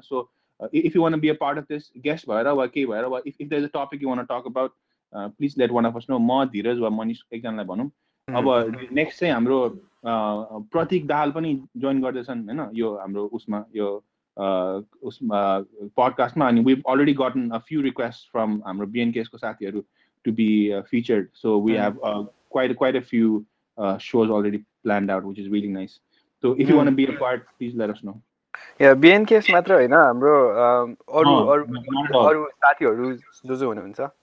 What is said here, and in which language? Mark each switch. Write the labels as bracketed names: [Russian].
[English] so if you want to be a part of this guest [Nepali] भएर वा केही भएर वा [English] if there is a topic you want to talk about please let one of us know, [Nepali] म धीरज वा मनिष एकजनालाई भनौँ। अब नेक्स्ट चाहिँ हाम्रो प्रतीक दाहाल पनि जोइन गर्दैछन् होइन यो हाम्रो उसमा यो उसमा पडकास्टमा, अनि [English] we already gotten a few request from [Nepali] हाम्रो बिएनकेएसको साथीहरू [English] To be featured. So we have quite a few shows already planned out which is really nice. So if you want to be a part please let us know. [Nepali] या बिएनकेएस मात्र होइन हाम्रो अरू अरू साथीहरू जो जो हुनुहुन्छ